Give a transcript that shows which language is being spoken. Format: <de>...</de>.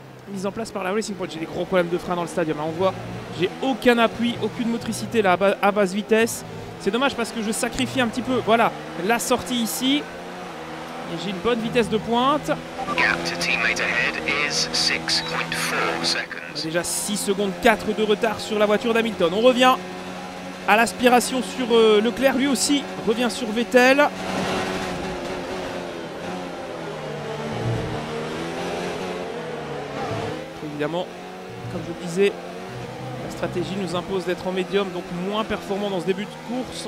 <fr>Mise en place par la Racing Point. J'ai des gros problèmes de frein dans le stade. On voit, j'ai aucun appui, aucune motricité là à basse vitesse. C'est dommage parce que je sacrifie un petit peu, voilà, la sortie ici. Et j'ai une bonne vitesse de pointe.</fr> <en>Gap to teammate ahead is 6.4 seconds.</en> <fr>Déjà 6 secondes 4 de retard sur la voiture d'Hamilton. On revient à l'aspiration sur Leclerc, lui aussi revient sur Vettel. Évidemment, comme je le disais, stratégie nous impose d'être en médium, donc moins performant dans ce début de course.</fr>